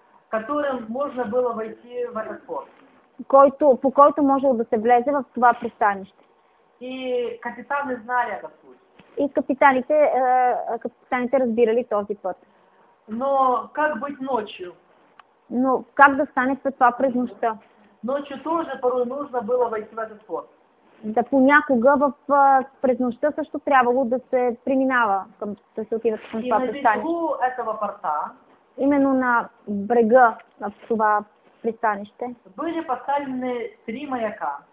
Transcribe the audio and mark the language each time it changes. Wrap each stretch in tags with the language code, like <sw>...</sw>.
<ru>которым можно было войти в этот порт.</ru> <bg>Който, по който можело да се влезе в това пристанище.</bg> <ru>И капитаны знали этот путь.</ru> <bg>И капитаните, капитаните разбирали този път.</bg> <ru>Но как быть ночью?</ru> <bg>Но как да стане след това през нощта?</bg> <ru>Ночью тоже порой нужно было войти в этот порт.</ru> <bg>Да понякога в, през нощта също трябвало да се преминава, към, да се отива към това пристанище.</bg> <ru>И на берегу этого порта,</ru> <bg>именно на брега на това пристанище,</bg> <ru>были поставлены три маяка.</ru>